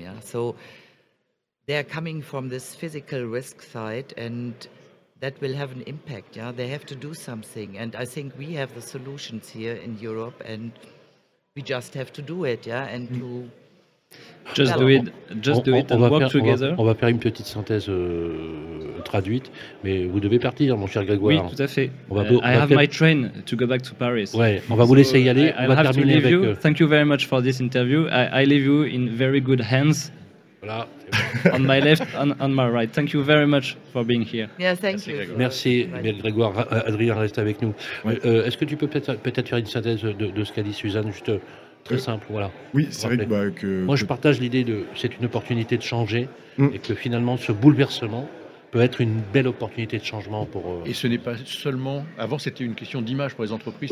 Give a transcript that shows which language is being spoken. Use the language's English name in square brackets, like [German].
[English] Yeah, so they are coming from this physical risk side, and that will have an impact. Yeah, they have to do something, and I think we have the solutions here in Europe, and we just have to do it. Yeah, and to just do it and work together. [French] On va faire une petite synthèse traduite, mais vous devez partir, mon cher Grégoire. Oui, tout à fait. [English] My train to go back to Paris. [French] Ouais, on va vous laisser y aller. [English] I'll have to leave you. Thank you very much for this interview. I leave you in very good hands. [French] Voilà. [English] On my left, on my right. Thank you very much for being here. Yeah, thank you. [French] Merci, Grégoire. Adrien, reste avec nous. Oui. Est-ce que tu peux peut-être faire une synthèse de ce qu'a dit Suzanne, juste très simple, voilà. Oui, c'est vrai que moi, je partage l'idée de c'est une opportunité de changer et que finalement, ce bouleversement peut être une belle opportunité de changement pour. Et ce n'est pas seulement. Avant, c'était une question d'image pour les entreprises.